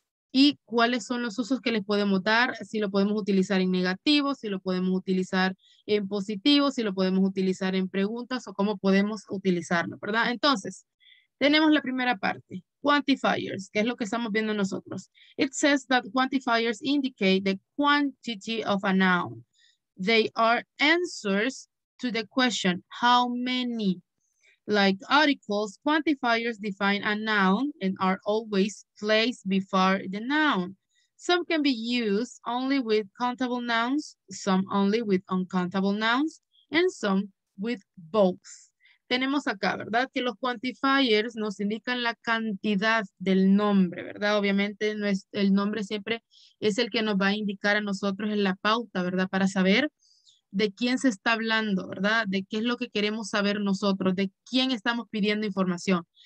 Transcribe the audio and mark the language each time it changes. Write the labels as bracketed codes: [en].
[es] y cuáles son los usos que les podemos dar, si lo podemos utilizar en negativo, si lo podemos utilizar en positivo, si lo podemos utilizar en preguntas o cómo podemos utilizarlo, ¿verdad? Entonces, tenemos la primera parte, quantifiers, que es lo que estamos viendo nosotros. [en] It says that quantifiers indicate the quantity of a noun. They are answers to the question, how many? Like articles, quantifiers define a noun and are always placed before the noun. Some can be used only with countable nouns, some only with uncountable nouns, and some with both. [es] Tenemos acá, ¿verdad? Que los quantifiers nos indican la cantidad del nombre, ¿verdad? Obviamente no es, el nombre siempre es el que nos va a indicar a nosotros en la pauta, ¿verdad? Para saber de quién se está hablando, ¿verdad? De qué es lo que queremos saber nosotros, de quién estamos pidiendo información.